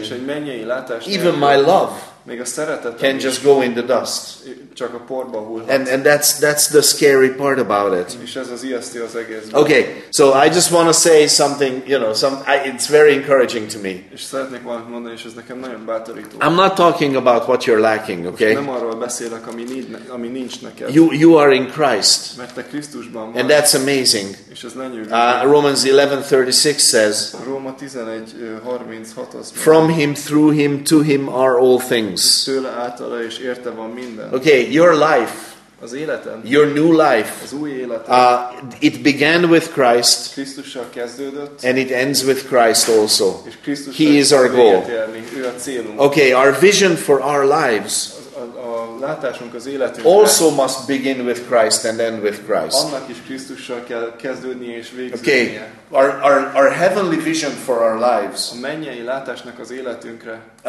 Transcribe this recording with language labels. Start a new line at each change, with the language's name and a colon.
Hungarian: és egy mennyei látás nélkül,
English: even my love
Hungarian: még a szeretet
English: can just go in the dust.
Hungarian: Csak a porba hullhat.
English: And that's the scary part about it.
Hungarian: És ez az ijesztő az egészben.
English: Okay, so I just want to say something, you know, it's very encouraging to me.
Hungarian: És szeretnék valamit mondani, és ez nekem nagyon bátorító.
English: I'm not talking about what you're lacking, okay?
Hungarian: Nem arról beszélek, ami nincs neked.
English: You are in Christ.
Hungarian: Mert te Krisztusban vagy.
English: And that's amazing.
Hungarian: És ez lenyűgöző.
English: Romans 11:36 says,
Hungarian: Róma 11:36 azt mondja,
English: from him, through him, to him are all things.
Hungarian: Tőle, általa és érte van minden.
English: Okay. Your life,
Hungarian: az életem,
English: your new life,
Hungarian: az új életem,
English: it began with Christ,
Hungarian: Krisztussal kezdődött,
English: and it ends with Christ also.
Hungarian: És Krisztussal
English: He is our goal.
Hungarian: Érni, ő a célunk.
English: Okay, our vision for our lives
Hungarian: a látásunk az életünkre
English: also must begin with Christ and end with Christ.
Hungarian: Annak is Krisztussal kell kezdődnie és végződnie.
English: Okay, our heavenly vision for our lives,
Hungarian: a mennyei látásnak az életünkre,